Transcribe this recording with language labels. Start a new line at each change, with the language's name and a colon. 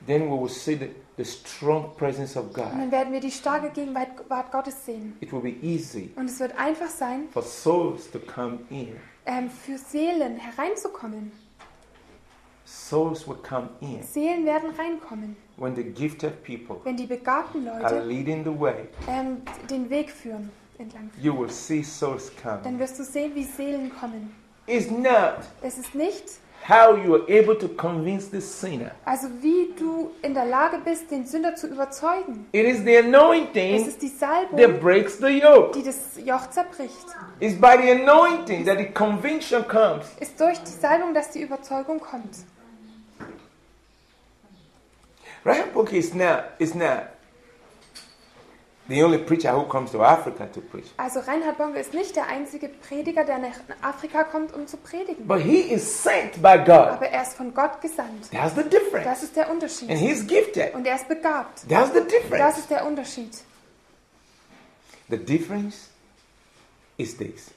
English: Then we will see the strong presence of God.
German: Und dann werden wir die starke Gegenwart Gottes sehen.
English: It will be easy,
German: und es wird einfach sein,
English: for souls to come in.
German: Für Seelen hereinzukommen.
English: Souls will come in.
German: Seelen werden reinkommen.
English: When the gifted people,
German: wenn die begabten Leute,
English: are leading the way,
German: den Weg führen, entlang führen.
English: You will see souls come.
German: Dann wirst du sehen, wie Seelen kommen.
English: It's not.
German: Es ist nicht.
English: How you are able to convince the sinner.
German: Also wie du in der Lage bist, den Sünder zu überzeugen.
English: It is the anointing.
German: Es ist die Salbung,
English: that breaks the yoke.
German: Die das Joch zerbricht.
English: It's by the anointing that the conviction comes.
German: Ist durch die Salbung, dass die Überzeugung kommt.
English: Ryan Pukki is now the only preacher who comes to Africa to preach.
German: Also Reinhard Bonke ist nicht der einzige Prediger, der nach Afrika kommt, um zu predigen.
English: But he is sent by God.
German: Aber er ist von Gott gesandt.
English: That's the difference.
German: Das ist der Unterschied.
English: And he's gifted.
German: Und er ist begabt.
English: That's the difference.
German: Das ist der Unterschied.
English: The difference is this.